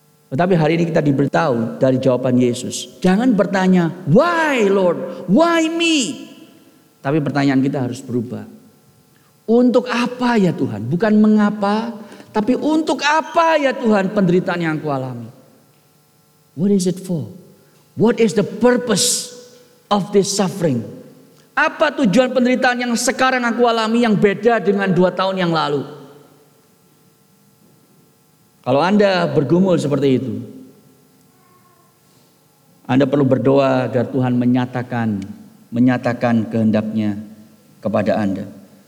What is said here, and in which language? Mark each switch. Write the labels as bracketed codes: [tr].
[id] Tetapi hari ini kita diberitahu dari jawaban Yesus. Jangan bertanya, [en] why Lord, why me? [id] Tapi pertanyaan kita harus berubah. Untuk apa ya Tuhan? Bukan mengapa, tapi untuk apa ya Tuhan penderitaan yang aku alami? [en] What is it for? What is the purpose of this suffering? [id] Apa tujuan penderitaan yang sekarang aku alami yang beda dengan 2 tahun yang lalu? Kalau Anda bergumul seperti itu, Anda perlu berdoa agar Tuhan menyatakan kehendak-Nya kepada Anda.